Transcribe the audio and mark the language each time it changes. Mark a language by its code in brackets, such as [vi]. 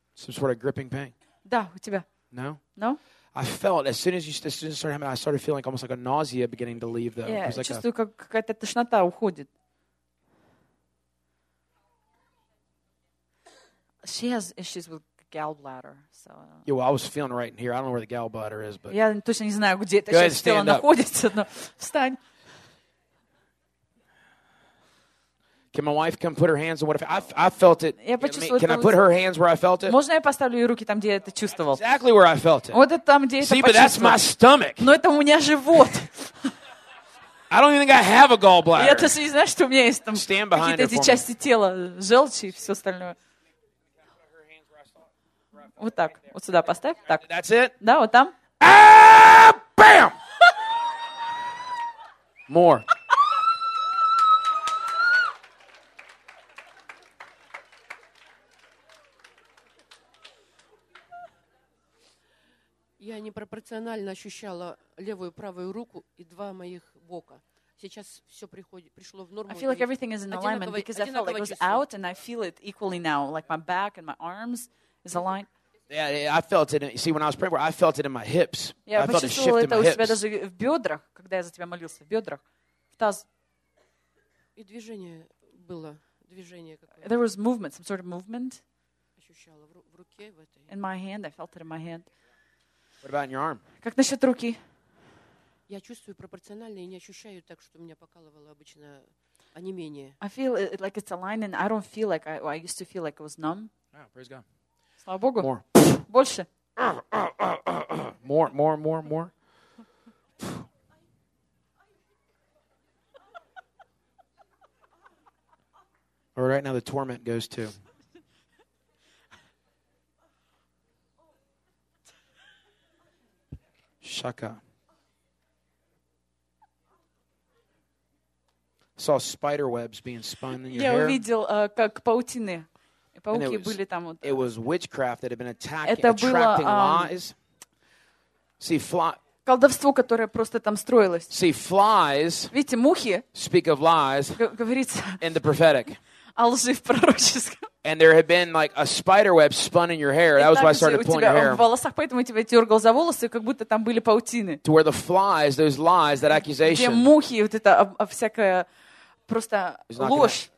[en] Some sort of gripping pain. [ru] Да, у тебя. [en] No? No? I felt as soon as it started happening, I started feeling almost like a nausea beginning to leave though. Yeah, like [ru] чувствую, как какая-то тошнота уходит. [en] She has issues with gallbladder, so. Yeah, well, I was feeling right in here. I don't know where the gallbladder is, but. [ru] Я точно не знаю, где это сейчас тело находится, но встань. [en] Can my wife come put her hands on what if I felt it? [ru] Я почувствовал. [en] Can I put her hands where I felt it? [ru] Можно я поставлю ее руки там, где я это чувствовал? [en] Exactly where I felt it. [ru] Вот это там, где это почувствовал. [en] See, but that's my stomach. [ru] Но это у меня живот. [en] I don't even think I have a gallbladder. [ru] Я точно не знаю, что у меня есть там. [en] Stand behind [ru] какие-то эти части тела, желчи и все остальное. Вот так. Вот сюда поставь. Так. [en] That's it? [ru] Да, вот там. Бам! [en] More. [ru] Я непропорционально ощущала левую и правую руку и два моих бока. Сейчас все приходит, пришло в норму. [en] I feel like everything is in alignment because I felt like it was out and I feel it equally now. Like my back and my arms is aligned. Yeah, I felt it. See, when I was praying, I felt it in my hips. Yeah, I felt a shift in my hips. [ru] Я почувствовала это у себя даже в бедрах, когда я за тебя молился, в бедрах, в таз. И движение было, движение какое-то. [en] There was movement, some sort of movement. [ru] Ощущала в руке, в этой. [en] In my hand, I felt it in my hand. What about in your arm? [ru] Как насчет руки? Я чувствую пропорционально и не ощущаю так, что меня покалывало обычно, а не менее. [en] I feel it, like it's aligning. I don't feel like I used to feel like it was numb. Yeah, praise God. [ru] Слава Богу. [en] More. [ru] Больше. [en] More. All right, now the torment goes to. Shaka. I saw spider webs being spun in your hair. [ru] Я увидел, как паутины. Пауки [en] and it was, [ru] были там вот. [en] It was witchcraft that had been attacking, attracting lies. See, [ru] колдовство, которое просто там строилось. [en] See, flies. [ru] Видите, мухи. [en] Speak of lies. [ru] Говорится. [en] In the prophetic. [ru] О лжи в пророческом. [en] And there had been like a spider web spun in your hair. That was why I started pulling your hair. [ru] В волосах, поэтому тебя дергал за волосы, как будто там были паутины. [en] To where the flies, those lies, that accusation. [ru] Где мухи, вот это всякая просто ложь.